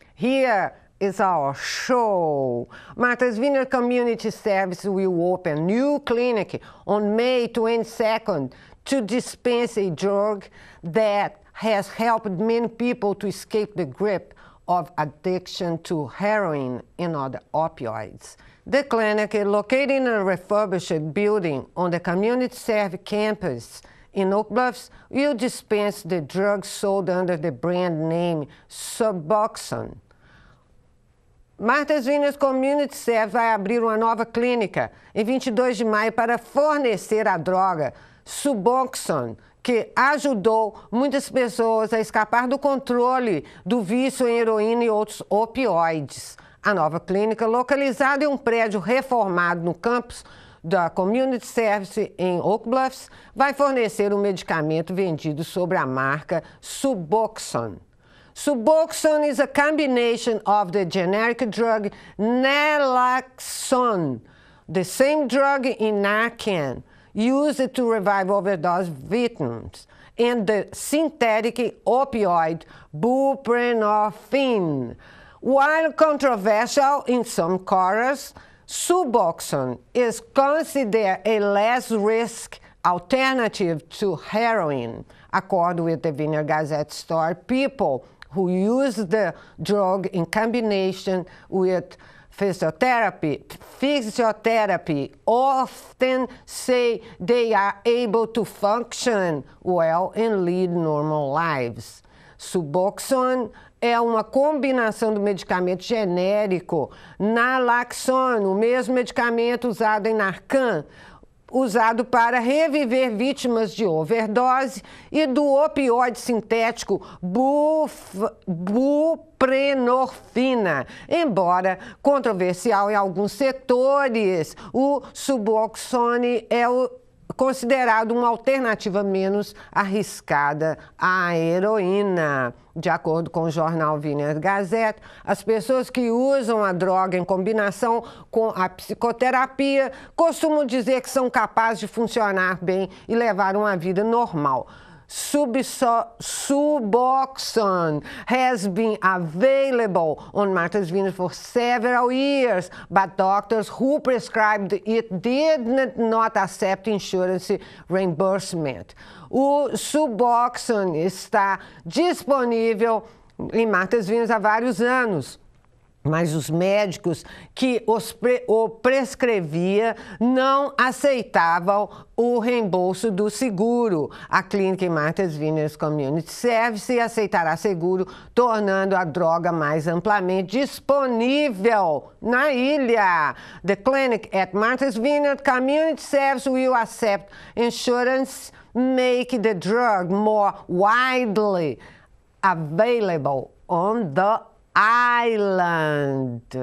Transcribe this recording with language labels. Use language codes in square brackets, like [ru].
[en] Here is our show. Martha's Vineyard Community Service will open a new clinic on May 22nd to dispense a drug that has helped many people to escape the grip of addiction to heroin and other opioids. The clinic is located in a refurbished building on the Community Service campus in Oak Bluffs. We'll dispense the drug sold under the brand name Suboxone. [pt] Martha's Vineyard Community Service vai abrir uma nova clínica em 22 de maio para fornecer a droga Suboxone, que ajudou muitas pessoas a escapar do controle do vício em heroína e outros opioides. A nova clínica, localizada em um prédio reformado no campus da Community Service em Oak Bluffs, vai fornecer um medicamento vendido sob a marca Suboxone. [en] Suboxone is a combination of the generic drug naloxone, the same drug in Narcan, used to revive overdose victims, and the synthetic opioid buprenorphine. While controversial in some quarters, Suboxone is considered a less risk alternative to heroin. According with the Vineyard Gazette story, people who use the drug in combination with physiotherapy often say they are able to function well and lead normal lives. [pt] Suboxone é uma combinação do medicamento genérico naloxone, o mesmo medicamento usado em Narcan, usado para reviver vítimas de overdose, e do opioide sintético buprenorfina. Embora controversial em alguns setores, o Suboxone é considerado uma alternativa menos arriscada à heroína. De acordo com o jornal Vineyard Gazette, as pessoas que usam a droga em combinação com a psicoterapia costumam dizer que são capazes de funcionar bem e levar uma vida normal. [en] Suboxone has been available on Martha's Vineyard for several years, but doctors who prescribed it did not accept insurance reimbursement. [pt] O Suboxone está disponível em Martha's Vineyard há vários anos, mas os médicos que o prescrevia não aceitavam o reembolso do seguro. A clínica em Martha's Vineyard Community Service aceitará seguro, tornando a droga mais amplamente disponível na ilha. [en] The clinic at Martha's Vineyard Community Service will accept insurance, make the drug more widely available on the island.